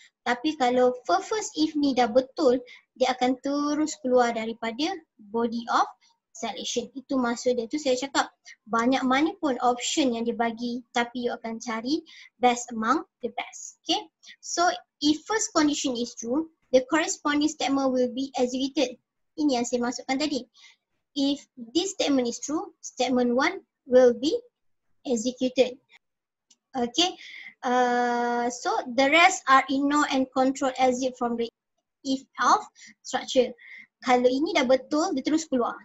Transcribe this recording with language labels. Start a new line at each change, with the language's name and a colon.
Malay: Tapi kalau first if ni dah betul, dia akan terus keluar daripada
English: body of selection.
Malay: Itu maksud dia tu saya cakap, banyak mana pun option yang dia bagi, tapi you akan cari
English: best among the best.
Malay: Okay.
English: So if first condition is true, the corresponding statement will be executed.
Malay: Ini yang saya masukkan tadi.
English: If this statement is true, statement 1 will be executed. Okay. So the rest are ignore and control exit from the if else structure.
Malay: Kalau ini dah betul, dia terus keluar.